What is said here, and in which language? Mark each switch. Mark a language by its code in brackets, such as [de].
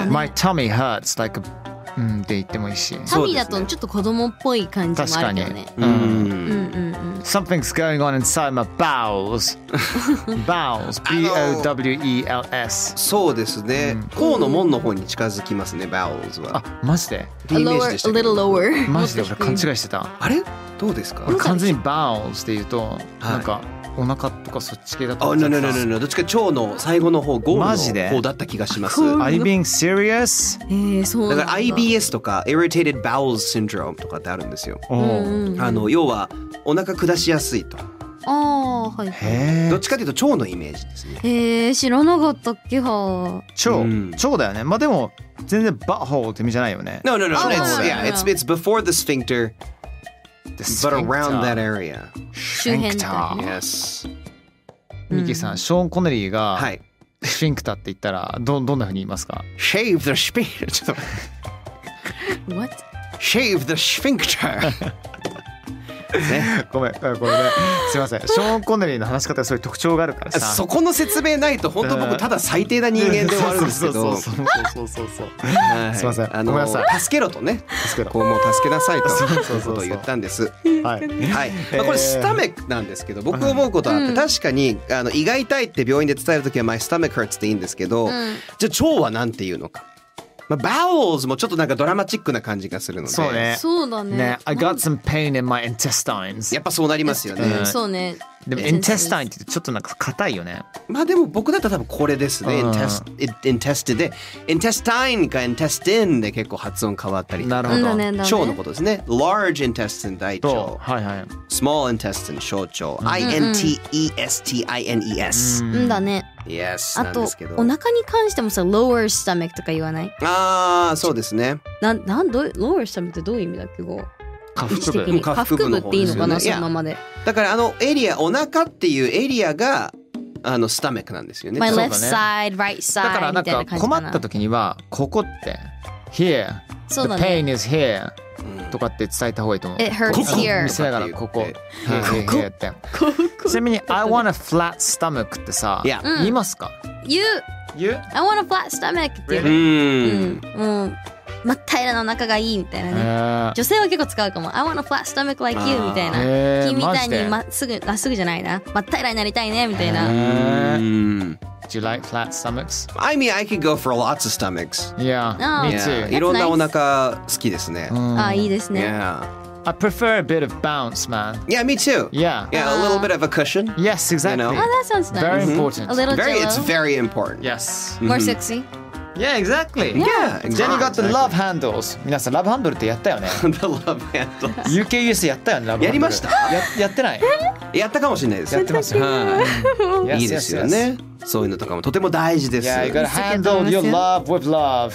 [en] My tummy hurts like a [ja] って言ってもいいし、タミーだとちょっと子供っぽい感じもあるけどね。確かに、うんうんうんうん、 [en] Something's going on inside my bowels. Bowels. B-O-W-E-L-S. [ja] そうですね、甲の門の方に近づきますね、 Bowels は。あ、マジで？ [en] A little lower. [ja] マジで俺勘違いしてた。あれ？どうですか？俺完全に Bowels って言うと、なんかお腹とかそっち系だと思ってた。あ、no. どっちか腸の最後の方、ゴールの方だった気がします。 [en] Are you being serious? [ja] そうなんだ。だから IBS とか Irritated Bowel Syndrome とかってあるんですよ。あの要はお腹下しやすいと。あ、はい、へ、どっちかというと腸のイメージですね。知らなかったっけ。は、腸、腸だよね。まあでも全然 butthole って意味じゃないよね。 [en] No. It's before the sphincter. The sphincter. But around that area. [ja] 周辺だよ [en] ね。Yes. [ja] ミキさん、ショーン・コネリーがスフィンクターって言ったら どんな風に言いますか？ [en] Shave the sphincter. [ja] ちょっと [en] What? Shave the sphincter. [ja] ね、ごめんこれね、すいません、ショーン・コネリーの話し方はそういう特徴があるからさ、そこの説明ないと本当僕ただ最低な人間で終わるんですけど、そう、はい、すいません、ごめんなさい、助けろとね、助けろ、こうもう助けなさいということを言ったんです。はい、はい、まあ、これスタメックなんですけど、僕思うことはあって、確かにあの胃が痛いって病院で伝えるときは [en] my stomach hurts [ja] っていいんですけど、じゃあ腸はなんていうのか、まあ、bowels もちょっとなんかドラマチックな感じがするので、そうね、そうだ ね、 [en] I got some pain in my intestines、 [ja] やっぱそうなりますよね、そうね、でも intestine ってちょっとなんか硬いよね、まあでも僕だったら多分これですね、intestine で intestine か intestine で結構発音変わったり、なるほど、ね、腸のことですね、 large intestine 大腸、はいはい、 small intestine 小腸、うん、intestines、うんだね、 [en] Yes、 [ja] あとお腹に関してもさ、lower stomach とか言わない？あ、そうですね。なんどう lower stomach ってどういう意味だっけ？下腹部、下腹部っていいのかな、そのままで。だからあのエリア、お腹っていうエリアがあのスタメックなんですよね。 [en] My left side, right side [ja] みたいな感じかな。だからなんか困った時にはここって here、ね、 [en] the pain is here [ja] とかって伝えた方がいいと思う。 [en] It hurts here。 [ja] 見せながらここ、ここって。ちなみに [en] I want a flat stomach [ja] ってさ、 [en] yeah. [ja] 言いますか？言う。言う。 [en] I want a flat stomach [ja] っていう。 [en] Really? [ja] もう、まっ平らなお腹がいいみたいなね。女性は結構使うかも。 [en] I want a flat stomach like you [ja] みたいな。君みたいにまっすぐ、まっすぐじゃないな。まっ平らになりたいねみたいな。 [en] Do you like flat stomachs? I mean, I could go for lots of stomachs. Yeah, me too. [ja] いろんなお腹好きですね。あ、いいですね。 [en] Yeah. I prefer a bit of bounce, man. Yeah, me too. Yeah. Yeah, a little bit of a cushion. Yes, exactly. You know? Oh, that sounds nice. Very important. A little very, jello. It's very important. Yes. Mm-hmm. More sexy. Yeah, exactly. Yeah, exactly. Then you got the love handles. [ja] 皆さん、love handle ってやったよね。 [en] The love handles. [ja] UK ユースやったよね、やりました。やってない。やったかもしれないです。やってますよ。いいですよね。そういうのとかもとても大事です。 [en] Yeah, you gotta handle your love with love.